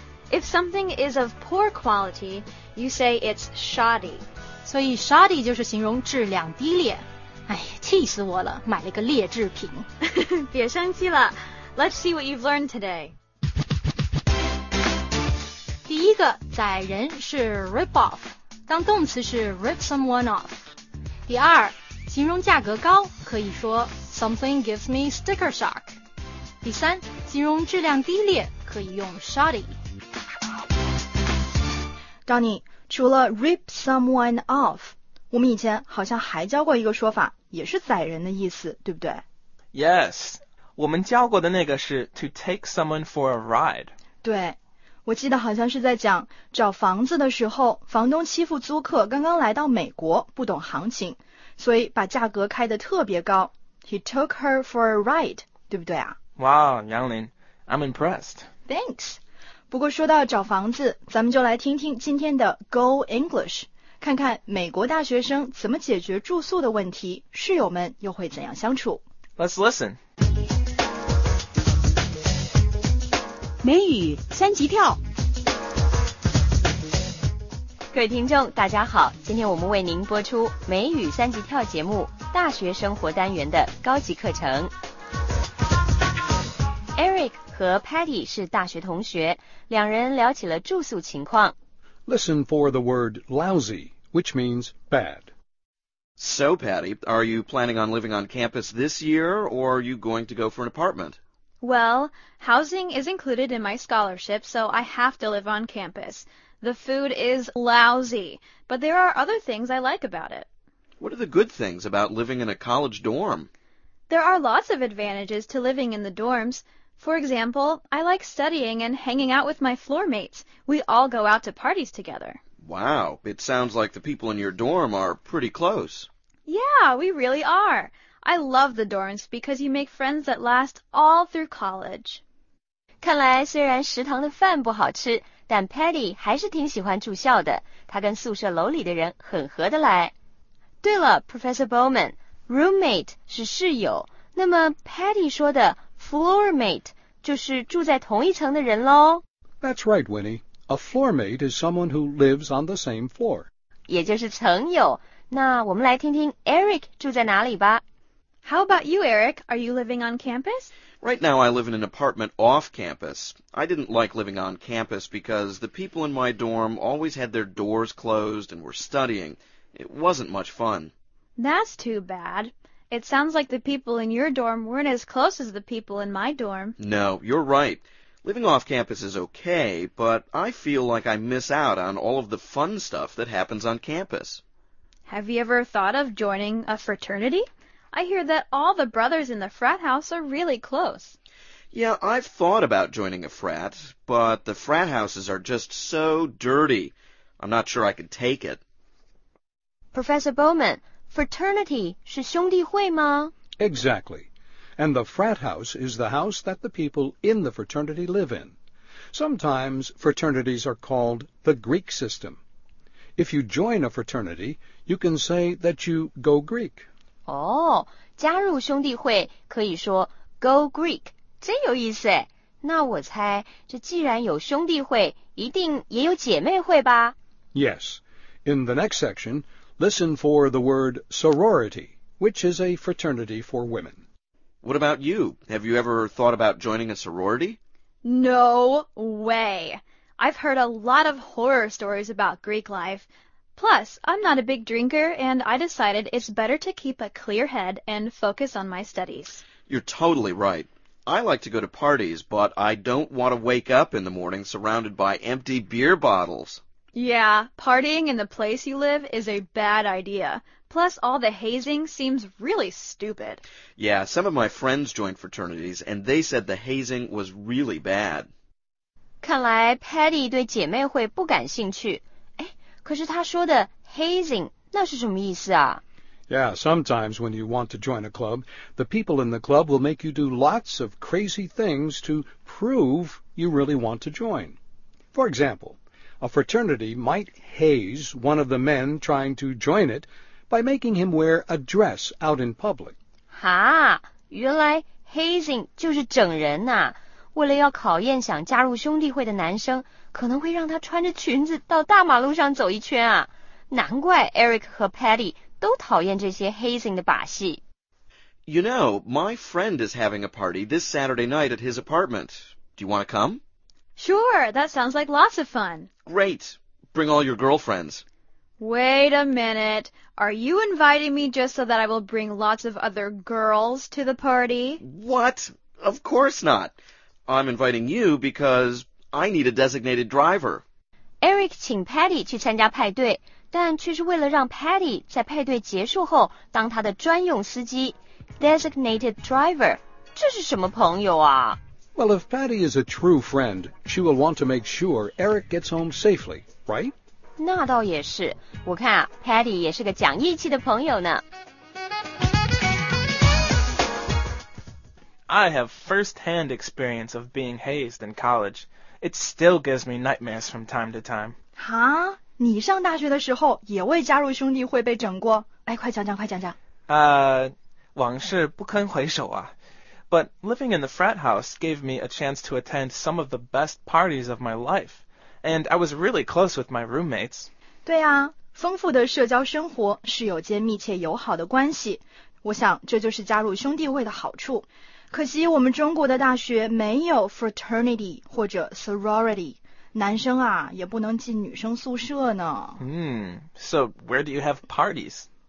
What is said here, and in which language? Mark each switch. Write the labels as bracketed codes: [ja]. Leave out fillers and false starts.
[en] If something is of poor quality, you say it's shoddy. [zh] 所以 shoddy 就是形容质量低劣。哎，气死我了，买了个劣质品。别生气了。 [en] Let's see what you've learned today. [zh] 第一个，宰人是 rip off， 当动词是 [en] rip someone off。 [zh] 第二，形容价格高，可以说 [en] something gives me sticker shock。 [zh] 第三，形容质量低劣，可以用 shoddy。 Donny， 除了 [en] rip someone off， [zh] 我们以前好像还教过一个说法，也是宰人的意思，对不对？Yes， 我们教过的那个是 [en] to take someone for a ride。 [zh] 对。我记得好像是在讲找房子的时候，房东欺负租客刚刚来到美国，不懂行情，所以把价格开得特别高。 [en] He took her for a ride， [zh] 对不对啊 [en] ？Wow， 杨林 ，I'm impressed。 Thanks。 [zh] 不过说到找房子，咱们就来听听今天的 Go English， 看看美国大学生怎么解决住宿的问题，室友们又会怎样相处。 [en] Let's listen。 [zh] 美语三级跳，各位听众大家好，今天我们为您播出美语三级跳节目大学生活单元的高级课程。 Eric 和 Patty 是大学同学，两人聊起了住宿情况。 [en] Listen for the word lousy, which means bad. So Patty, are you planning on living on campus this year, or are you going to go for an apartment? Well, housing is included in my scholarship, so I have to live on campus. The food is lousy, but there are other things I like about it. What are the good things about living in a college dorm? There are lots of advantages to living in the dorms. For example, I like studying and hanging out with my floor mates. We all go out to parties together. Wow, it sounds like the people in your dorm are pretty close. Yeah, we really are. I love the dorms because you make friends that last all through college. [zh] 看来虽然食堂的饭不好吃，但 Patty 还是挺喜欢住校的，她跟宿舍楼里的人很合得来。对了 ,Professor Bowman, roommate 是室友，那么 Patty 说的 floor mate 就是住在同一层的人咯。 [en] That's right, Winnie. A floor mate is someone who lives on the same floor. [zh] 也就是层友，那我们来听听 Eric 住在哪里吧。 [en] How about you, Eric? Are you living on campus? Right now, I live in an apartment off campus. I didn't like living on campus because the people in my dorm always had their doors closed and were studying. It wasn't much fun. That's too bad. It sounds like the people in your dorm weren't as close as the people in my dorm. No, you're right. Living off campus is okay, but I feel like I miss out on all of the fun stuff that happens on campus. Have you ever thought of joining a fraternity? I hear that all the brothers in the frat house are really close. Yeah, I've thought about joining a frat, but the frat houses are just so dirty. I'm not sure I could take it. [zh] Professor Bowman, fraternity 是兄弟会吗？ [en] Exactly. And the frat house is the house that the people in the fraternity live in. Sometimes fraternities are called the Greek system. If you join a fraternity, you can say that you go Greek. [zh] 哦，加入兄弟会可以说 [en] go Greek， [zh] 真有意思。那我猜，这既然有兄弟会，一定也有姐妹会吧 [en] ？Yes. In the next section, listen for the word sorority, which is a fraternity for women. What about you? Have you ever thought about joining a sorority? No way. I've heard a lot of horror stories about Greek life. Plus, I'm not a big drinker, and I decided it's better to keep a clear head and focus on my studies. You're totally right. I like to go to parties, but I don't want to wake up in the morning surrounded by empty beer bottles. Yeah, partying in the place you live is a bad idea. Plus, all the hazing seems really stupid. Yeah, some of my friends joined fraternities, and they said the hazing was really bad. [zh] 看来 Patty 对姐妹会不感兴趣。哎，可是她说的 hazing 那是什么意思啊？ [en] Yeah, sometimes when you want to join a club, the people in the club will make you do lots of crazy things to prove you really want to join. For example, a fraternity might haze one of the men trying to join it by making him wear a dress out in public. [zh] 哈，原来 hazing 就是整人呐、啊。为了要考验想加入兄弟会的男生，可能会让他穿着裙子到大马路上走一圈啊。难怪 Eric 和 Patty都讨厌这些 hazing 的把戏。 [en] You know, my friend is having a party this Saturday night at his apartment. Do you want to come? Sure, that sounds like lots of fun. Great, bring all your girlfriends. Wait a minute, are you inviting me just so that I will bring lots of other girls to the party? What? Of course not. I'm inviting you because I need a designated driver. [zh] Eric 请 Patty 去参加派对。但却是为了让 Patty 在派对结束后当他的专用司机 ,designated driver, 这是什么朋友啊 [en] ?Well, if Patty is a true friend, she will want to make sure Eric gets home safely, right? [zh] 那倒也是我看 Patty 也是个讲义气的朋友呢。 [en] I have first-hand experience of being hazed in college. It still gives me nightmares from time to time. Huh? [zh] 你上大学的时候也为加入兄弟会被整过，哎，快讲讲，快讲讲。往事不堪回首啊。 [en] But living in the frat house gave me a chance to attend some of the best parties of my life, and I was really close with my roommates. [zh] 对啊，丰富的社交生活，室友间密切友好的关系，我想这就是加入兄弟会的好处。可惜我们中国的大学没有 fraternity 或者 sorority。男生啊也不能进女生宿舍呢。 [en] So where do you have parties?